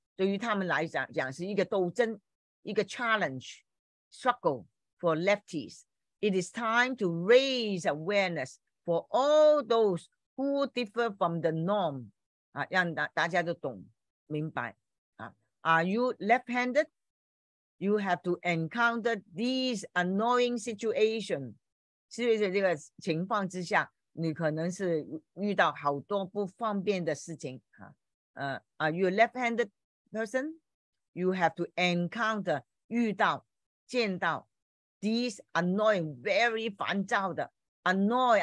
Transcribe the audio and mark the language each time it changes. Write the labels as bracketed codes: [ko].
[zh] 对于他们来讲，讲是一个斗争，一个 [en] challenge, struggle for lefties. It is time to raise awareness for all those who differ from the norm.、 [zh] 啊、让大家都懂，明白、啊、 [en] Are you left-handed? You have to encounter these annoying situations. [zh] 是因为这个情况之下，你可能是遇到好多不方便的事情。 [en] Are you a left-handed person? You have to encounter, [zh] 遇到、见到 [en] these annoying, very [zh] 烦躁的 [en] annoying.